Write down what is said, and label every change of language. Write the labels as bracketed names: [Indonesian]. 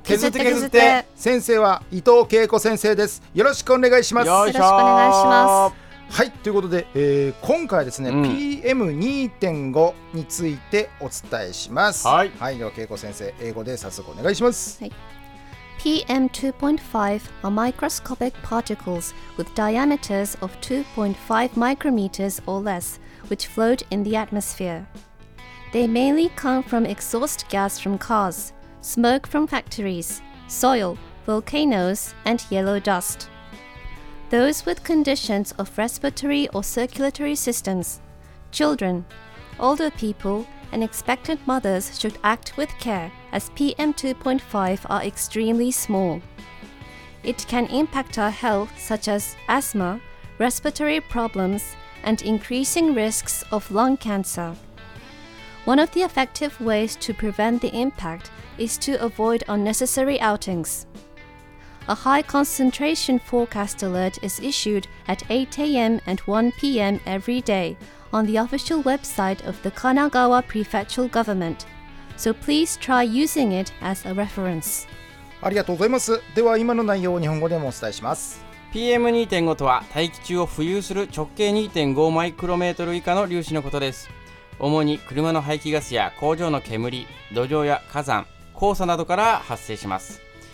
[Japanese] 削って削って。先生は伊藤恵子先生です。よろしくお願いします。よろしくお願いします。はい、ということで、今回ですね、PM2.5 についてお伝えします。はい、はい、では恵子先生、英語で早速お願いします。はい、 [English] PM2.5 are microscopic particles with diameters of 2.5 micrometers or less, which float in the atmosphere. They mainly come from exhaust gas from cars, smoke from factories, soil, volcanoes, and yellow dust. Those with conditions of respiratory or circulatory systems, children, older people,and expectant mothers should act with care, as PM2.5 are extremely small. It can impact our health, such as asthma, respiratory problems, and increasing risks of lung cancer. One of the effective ways to prevent the impact is to avoid unnecessary outings. A high concentration forecast alert is issued at 8 a.m. and 1 p.m. every day,on the official website of the Kanagawa Prefectural Government. So please try using it as a reference. [Japanese] ありがとうございます。では今の内容を日本語でもお伝えします。 PM2.5 とは、大気中を浮遊する直径 2.5 マイクロメートル以下の粒子のことです。主に車の排気ガスや工場の煙、土壌や火山、黄砂などから発生します。